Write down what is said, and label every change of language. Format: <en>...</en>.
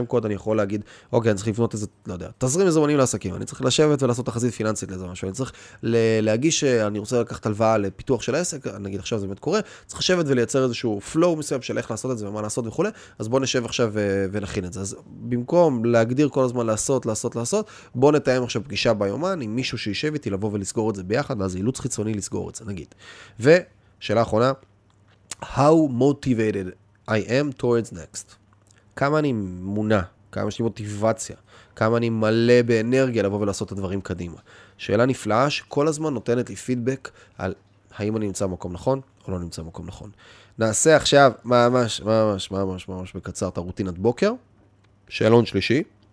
<he>שם קוד אני יכול להגיד, אוקיי, אני צריך לבנות איזה, לא יודע, תזרים מזומנים לעסקים, אני צריך לשבת ולעשות תחזית פיננסית לזה משהו, אני צריך להגיש שאני רוצה לקחת הלוואה לפיתוח של העסק, נגיד עכשיו זה באמת קורה, צריך לשבת ולייצר איזשהו פלואו מסוים של איך לעשות את זה ומה לעשות וכו'. אז בוא נשב עכשיו ונכין את זה. אז במקום להגדיר כל הזמן לעשות, לעשות, לעשות, בוא נתאם עכשיו פגישה ביומן עם מישהו שישב איתי לבוא ולסגור את זה ביחד, ואז אילוץ חיצוני לסגור. סגור את זה, נגיד. ושאלה אחרונה,</he> <en>how motivated I am towards next?</en> <he>כמה אני מונע, כמה יש לי מוטיבציה, כמה אני מלא באנרגיה לבוא ולעשות את הדברים קדימה. שאלה נפלאה שכל הזמן נותנת לי פידבק על האם אני נמצא במקום נכון או לא נמצא במקום נכון. נעשה עכשיו ממש, ממש, ממש, ממש בקצר את הרוטינת בוקר. שאלון שלישי.</he>